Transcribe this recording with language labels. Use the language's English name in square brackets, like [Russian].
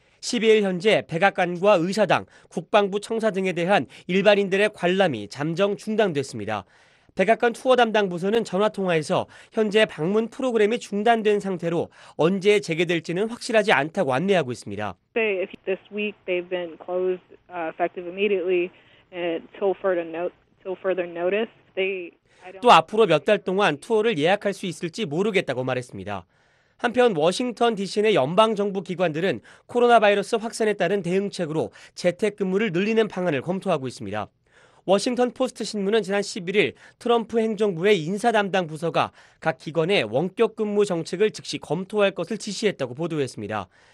[Korean] 12일 현재 백악관과 의사당, 국방부 청사 등에 대한 일반인들의 관람이 잠정 중단됐습니다. 백악관 투어 담당 부서는 전화통화에서 현재 방문 프로그램이 중단된 상태로 언제 재개될지는 확실하지 않다고 안내하고 있습니다. [English] This week they've been closed effective immediately until further notice. [Korean] 또 앞으로 몇 달 동안 투어를 예약할 수 있을지 모르겠다고 말했습니다. 한편 워싱턴 DC 내 연방정부기관들은 코로나 바이러스 확산에 따른 대응책으로 재택근무를 늘리는 방안을 검토하고 있습니다. 워싱턴 포스트 신문은 지난 11일 트럼프 행정부의 인사 담당 부서가 각 기관의 원격근무 정책을 즉시 검토할 것을 지시했다고 보도했습니다.